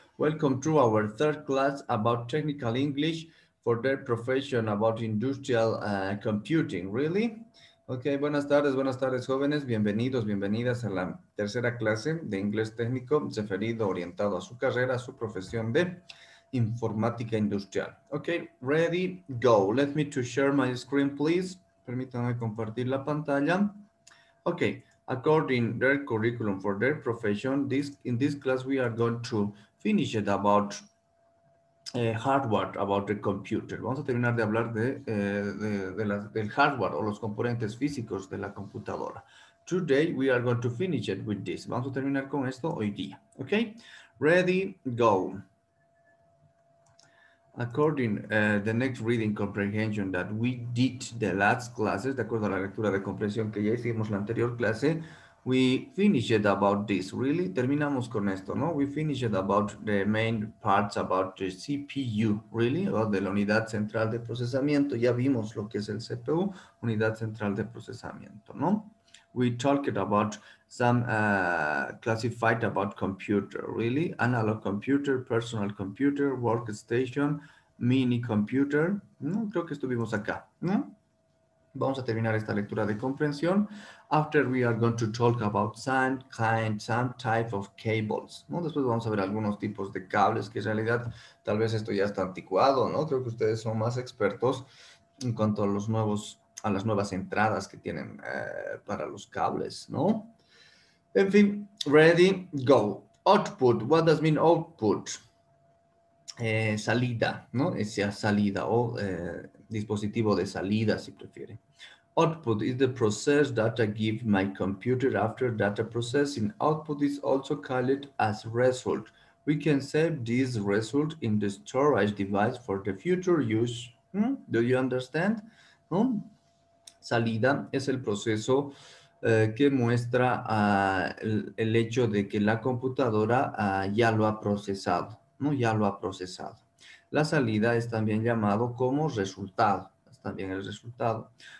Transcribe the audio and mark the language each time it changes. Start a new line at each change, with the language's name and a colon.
English: Welcome to our third class about technical English for their profession, about industrial computing, really?
Spanish: Okay, buenas tardes, jóvenes. Bienvenidos, bienvenidas a la tercera clase de inglés técnico referido, orientado a su carrera, a su profesión de informática industrial.
English: Okay, ready, go. Let me to share my screen, please.
Spanish: Permítanme compartir la pantalla. Okay.
English: According their curriculum for their profession, in this class we are going to finish it about hardware, about the computer.
Spanish: Vamos a terminar de hablar del hardware o los componentes físicos de la computadora.
English: Today we are going to finish it with this.
Spanish: Vamos a terminar con esto hoy día.
English: Okay, ready, go. According the next reading comprehension that we did the last classes,
Spanish: de acuerdo a la lectura de comprensión que ya hicimos la anterior clase,
English: we finished about this, really?
Spanish: Terminamos con esto, ¿no?
English: We finished about the main parts about the CPU, really? About the
Spanish: unidad central de procesamiento. Ya vimos lo que es el CPU, unidad central de procesamiento, ¿no?
English: We talked about some classified about computer, really? Analog computer, personal computer, workstation, mini computer. ¿No?
Spanish: Creo que estuvimos acá, ¿no? Vamos a terminar esta lectura de comprensión.
English: After we are going to talk about some kind, some type of cables. ¿No?
Spanish: Después vamos a ver algunos tipos de cables que en realidad tal vez esto ya está anticuado, ¿no? Creo que ustedes son más expertos en cuanto a los nuevos, a las nuevas entradas que tienen para los cables, ¿no? En fin,
English: ready, go. Output, what does mean output?
Spanish: Salida, ¿no? Esa salida o dispositivo de salida, si prefiere.
English: Output is the process data give my computer after data processing. Output is also called as result. We can save this result in the storage device for the future use. Hmm? Do you understand? ¿No?
Spanish: Salida es el proceso que muestra el hecho de que la computadora ya lo ha procesado, ¿no? Ya lo ha procesado. La salida es también llamado como resultado, es también el resultado.